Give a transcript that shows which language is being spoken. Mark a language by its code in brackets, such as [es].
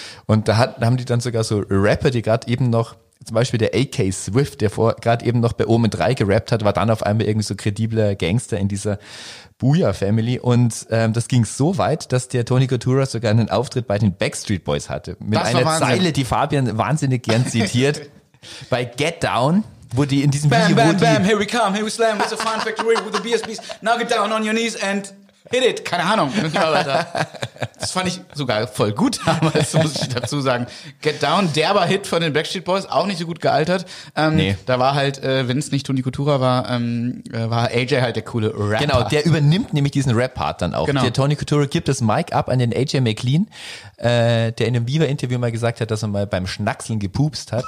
[de] Und da haben die dann sogar so Rapper, die gerade eben noch, zum Beispiel der AK Swift, der vor gerade eben noch bei Omen 3 gerappt hat, war dann auf einmal irgendwie so kredibler Gangster in dieser Booyah Family. Und das ging so weit, dass der Tony Cotura sogar einen Auftritt bei den Backstreet Boys hatte. Mit einer Zeile, die Fabian wahnsinnig gern zitiert, bei Get Down. Wo die in diesem bam, Video, [en] bam, bam, here we come, here we slam, with a fun factory, with the BSBs, now get down on your knees and Hit it, [de] keine Ahnung. Das fand ich sogar voll gut damals, muss ich dazu sagen. Get Down, derber Hit von den Backstreet Boys, auch nicht so gut gealtert. Da war halt, wenn es nicht Toni Kutura war, war AJ halt der coole Rapper. Genau, der übernimmt nämlich diesen Rap-Part dann auch. Genau. Der Toni Kutura gibt das Mic ab an den AJ McLean, der in einem Viva-Interview mal gesagt hat, dass er mal beim Schnackseln gepupst hat.